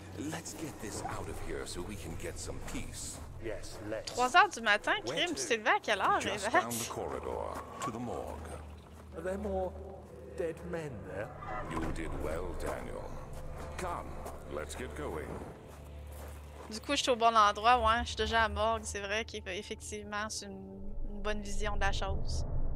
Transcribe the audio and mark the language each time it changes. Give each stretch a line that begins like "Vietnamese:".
English: Let's get this out of here so we can get some peace. Yes, let's.
French: 3h du matin, Krim, tu t'es levé à quelle heure,
English: Révette? Just down the corridor, to the morgue. Are there more dead men there? You did well, Daniel. Come, let's get going.
French: Du coup, je suis au bon endroit, ouais. Je suis déjà à la morgue, c'est vrai qu'effectivement, c'est une bonne vision de la chose.